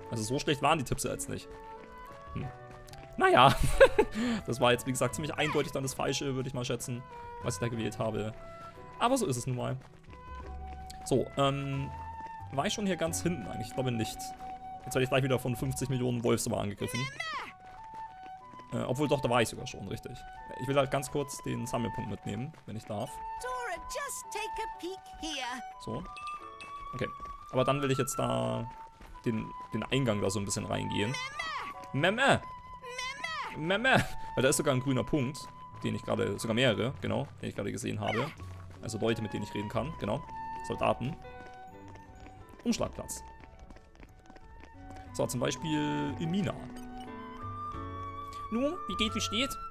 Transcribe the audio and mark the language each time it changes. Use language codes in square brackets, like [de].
[de] Also so schlecht waren die Tipps jetzt nicht. Naja, das war jetzt wie gesagt ziemlich eindeutig dann das Falsche, würde ich mal schätzen, was ich da gewählt habe. Aber so ist es nun mal. So, war ich schon hier ganz hinten eigentlich? Ich glaube nicht. Jetzt werde ich gleich wieder von 50 Millionen Wolfs aber angegriffen. Obwohl doch, da war ich sogar schon, richtig. Ich will halt ganz kurz den Sammelpunkt mitnehmen, wenn ich darf. [en] Tora, just take a peek here. [de] So. Okay. Aber dann will ich jetzt da den Eingang da so ein bisschen reingehen. Memme! Memme! Memme! Weil da ist sogar ein grüner Punkt, den ich gerade, sogar mehrere, genau, den ich gerade gesehen habe. Also Leute, mit denen ich reden kann, genau. Soldaten. Umschlagplatz. So, zum Beispiel Emina. Nun, wie geht, wie steht?